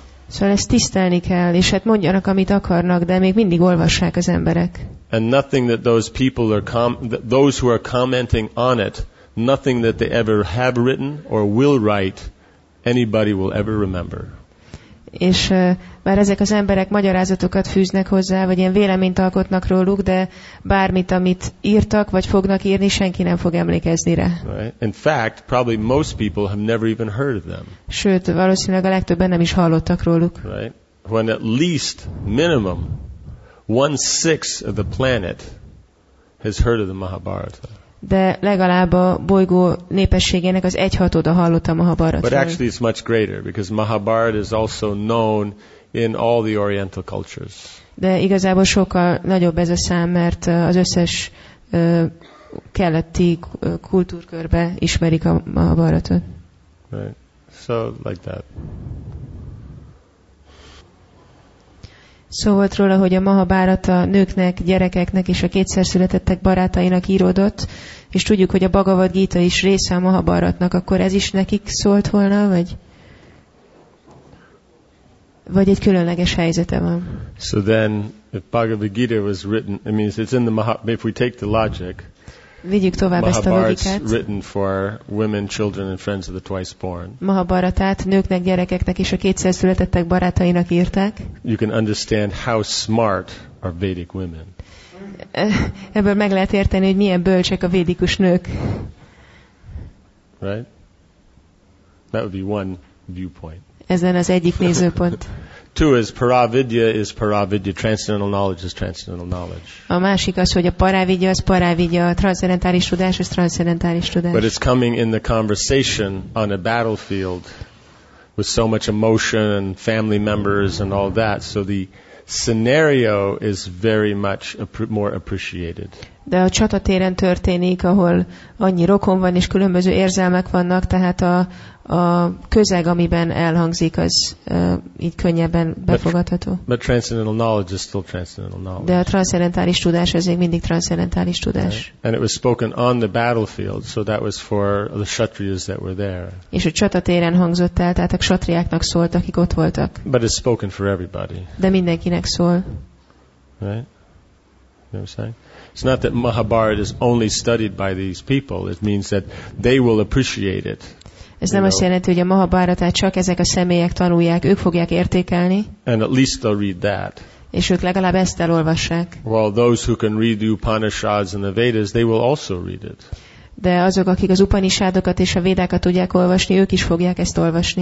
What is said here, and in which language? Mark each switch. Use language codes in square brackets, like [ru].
[hu] Szóval ezt tisztelni kell, és hát mondjanak, amit akarnak, de még mindig olvassák az emberek. [en] And nothing that those people are those who are commenting on it, nothing that they ever have written or will write, anybody will ever remember. [hu] És bár ezek az emberek magyarázatokat fűznek hozzá, vagy ilyen véleményt alkotnak róluk, de bármit, amit írtak, vagy fognak írni, senki nem fog emlékezni rá. [en] Right. In fact, probably most people have never even heard of them. [hu] Sőt, valószínűleg a legtöbben nem is hallottak róluk. [en] Right. When at least minimum 1/6 of the planet has heard of the Mahabharata. [hu] De legalább a bolygó népességének az egyhatoda hallott a Mahabharatáról. [en] But actually it's much greater because Mahabharata is also known in all the oriental cultures. [hu] De igazából sokkal nagyobb ez a szám, mert az összes keleti kultúrkörbe ismerik a Mahabharatát. [en] Right. So like that. [hu] Szó volt róla, hogy a Mahabharata nőknek, gyerekeknek és a kétszer születettek barátainak íródott, és tudjuk, hogy a Bhagavad Gita is része a Mahabharatnak, akkor ez is nekik szólt volna, vagy egy különleges helyzete van? [en] So then, if Bhagavad Gita was written, it means it's in the if we take the logic, [hu] vigyük tovább ezt a logikát. [en] Mahabharata written for women, children and friends of the twice born. [hu] Mahabharatát nőknek, gyerekeknek és a kétszer születettek barátainak írták. [en] You can understand how smart are Vedic women. [hu] Ebből meg lehet érteni, hogy milyen bölcsek a védikus nők. [en] Right? That would be one viewpoint. [hu] Ezen az egyik nézőpont. [en] Two is paravidya, transcendental knowledge is transcendental knowledge. [hu] A másik az, hogy a paravidya az paravidya, a transzcendentális tudás az transzcendentális tudás. [en] But it's coming in the conversation on a battlefield with so much emotion and family members and all that, so the scenario is very much more appreciated. [hu] De a csatatéren történik, ahol annyi rokon van és különböző érzelmek vannak, tehát a közeg, amiben elhangzik, az így könnyebben befogadható. [en] But transcendental knowledge is still transcendental knowledge. [hu] De a transzcendentális tudás az még mindig transzcendentális tudás. [en] Right. And it was spoken on the battlefield, so that was for the kshatriyas that were there. [hu] És a csatatéren hangzott el, tehát a kshatriáknak szólt, akik ott voltak. [en] But it's spoken for everybody. [hu] De mindenkinek szól. [en] Right? You know what I'm saying? It's not that Mahabharata is only studied by these people. It means that they will appreciate it. [hu] Ez nem azt jelenti, hogy a Mahabharatát csak ezek a személyek tanulják, ők fogják értékelni. [en] And at least they'll read that. [hu] És ők legalább ezt elolvassák. [en] Well, those who can read the Upanishads and the Vedas, they will also read it. [hu] De azok, akik az Upanishadokat és a Védákat tudják olvasni, ők is fogják ezt olvasni.